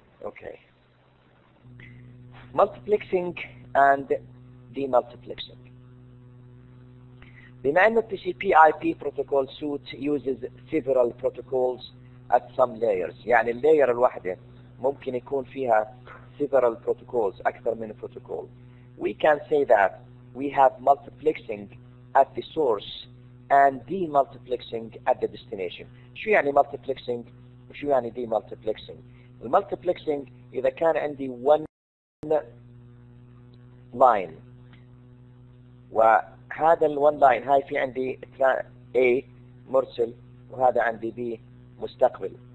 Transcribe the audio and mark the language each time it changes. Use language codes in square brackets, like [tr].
[en] Okay. Multiplexing and demultiplexing. [ar] بما أن [en] TCP/IP protocol suite uses several protocols at some layers، [ar] يعني اللاير الواحدة ممكن يكون فيها [en] several protocols، [ar] أكثر من [en] protocol. We can say that we have multiplexing at the source and demultiplexing at the destination. [ar] شو يعني multiplexing وشو يعني demultiplexing؟ المultiplexing إذا كان عندي one line وهذا ال one line هاي في عندي A مرسل وهذا عندي B مستقبل.